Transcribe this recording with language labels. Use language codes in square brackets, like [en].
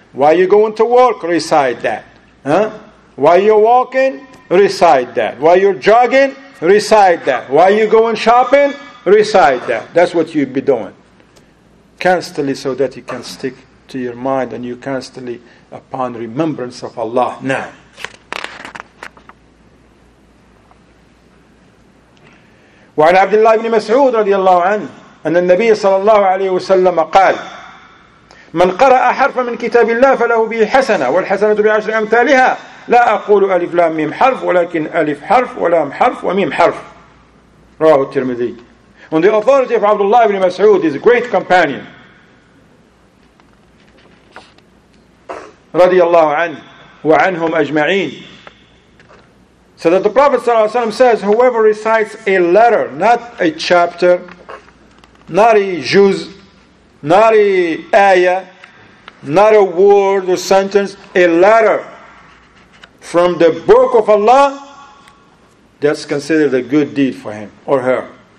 [en] While you're going to work, recite that. While you're walking, recite that. While you're jogging, recite that. While you're going shopping, recite that. That's what you'd be doing. Constantly, so that it can stick to your mind and you constantly upon remembrance of Allah. [ar] Now, وعن عبد الله بن مسعود رضي الله عنه أن النبي صلى الله عليه وسلم قال من قرأ حرف من كتاب الله فله به حسنة والحسنة بعشر أمثالها لا أقول ألف لام ميم حرف ولكن ألف حرف ولام حرف وميم حرف رواه الترمذي. [en] On the authority of Abdullah ibn Mas'ud, his great companion [ar] رضي الله عنه وعنهم أجمعين, [en] so that the Prophet [ar] صلى الله عليه وسلم [en] says, whoever recites a letter, not a chapter, not a juz, not a ayah, not a word or sentence, a letter from the book of Allah, that's considered a good deed for him or her.